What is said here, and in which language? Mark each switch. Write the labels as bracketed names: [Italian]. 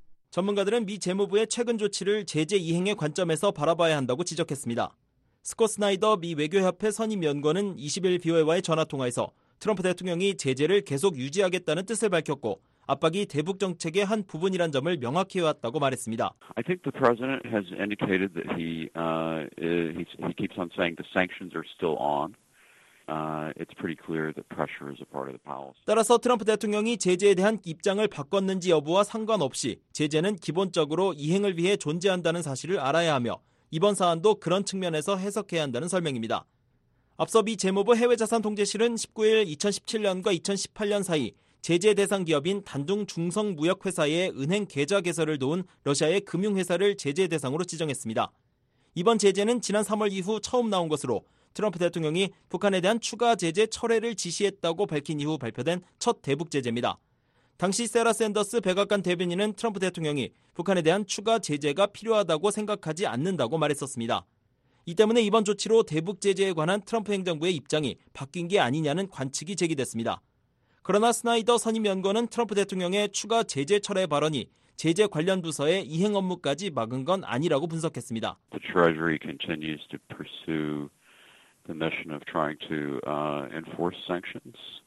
[Korean] 전문가들은 미 재무부의 최근 조치를 제재 이행의 관점에서 바라봐야 한다고 지적했습니다. 스콧 스나이더 미 외교협회 선임 연구원은 20일 비오에와의 전화통화에서 트럼프 대통령이 제재를 계속 유지하겠다는 뜻을 밝혔고 압박이 대북 정책의 한 부분이란 점을 명확히 해왔다고 말했습니다. [English] I think the president has indicated that he keeps on saying the sanctions are still on. It's pretty clear that pressure is a part of the policy. [Korean] 따라서 트럼프 대통령이 제재에 대한 입장을 바꿨는지 여부와 상관없이 제재는 기본적으로 이행을 위해 존재한다는 사실을 알아야 하며 이번 사안도 그런 측면에서 해석해야 한다는 설명입니다. 앞서 미 재무부 해외자산통제실은 19일 2017년과 2018년 사이 제재 대상 기업인 단둥 중성무역회사의 은행 계좌 개설을 도운 러시아의 금융회사를 제재 대상으로 지정했습니다. 이번 제재는 지난 3월 이후 처음 나온 것으로 트럼프 대통령이 북한에 대한 추가 제재 철회를 지시했다고 밝힌 이후 발표된 첫 대북 제재입니다. 당시 세라 샌더스 백악관 대변인은 트럼프 대통령이 북한에 대한 추가 제재가 필요하다고 생각하지 않는다고 말했었습니다. 이 때문에 이번 조치로 대북 제재에 관한 트럼프 행정부의 입장이 바뀐 게 아니냐는 관측이 제기됐습니다. 그러나 스나이더 선임 연구원은 트럼프 대통령의 추가 제재 철회 발언이 제재 관련 부서의 이행 업무까지 막은 건 아니라고 분석했습니다. [English] The Treasury continues to pursue the mission of trying to enforce sanctions.